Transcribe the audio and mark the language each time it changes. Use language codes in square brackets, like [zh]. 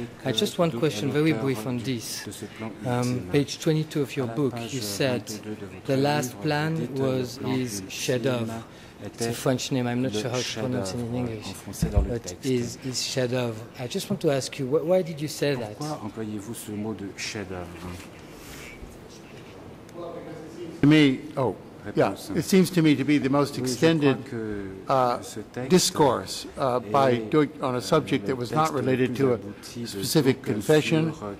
[en] I just one question very brief on this. Page 22 of your book, you said the last plan was his chef d'œuvre. It's a French name. I'm not sure how to pronounce it in English. But is chef d'œuvre. I just want to ask you, why did you say that? [fr] Pourquoi employez-vous ce mot de chef d'œuvre? [en] To me, oh, yeah, it seems to me to be the most extended discourse by Doig on a subject that was not related to a specific confession.